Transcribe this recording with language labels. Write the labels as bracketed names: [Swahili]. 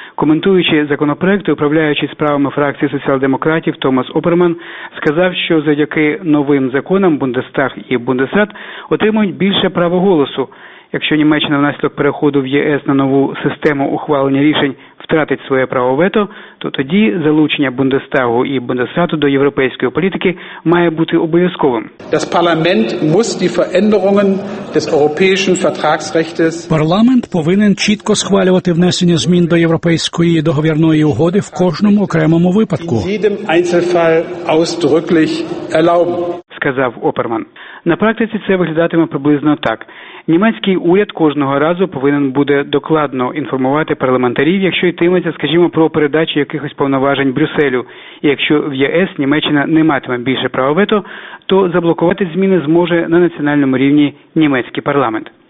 [Ukrainian] Коментуючи законопроект, управляючий справами фракції соціал-демократів Томас Оперман сказав, що завдяки новим законам Бундестаг і Бундесрат отримують більше права голосу. Якщо Німеччина внаслідок переходу в ЄС на нову систему ухвалення рішень втратить своє право вето, то тоді залучення Бундестагу і Бундесрату до європейської політики має бути обов'язковим. [German] Das Parlament muss die Veränderungen des europäischen Vertragsrechts. [Ukrainian] Парламент повинен чітко схвалювати внесення змін до європейської договірної угоди в кожному окремому випадку. [German] In jedem Einzelfall ausdrücklich erlauben, [Ukrainian] сказав Оперман. На практиці це виглядатиме приблизно так. Німецький уряд кожного разу повинен буде докладно інформувати парламентарів, якщо йтиметься, скажімо, про передачу якихось повноважень Брюсселю. І якщо в ЄС Німеччина не матиме більше права вето, то заблокувати зміни зможе на національному рівні німецький парламент.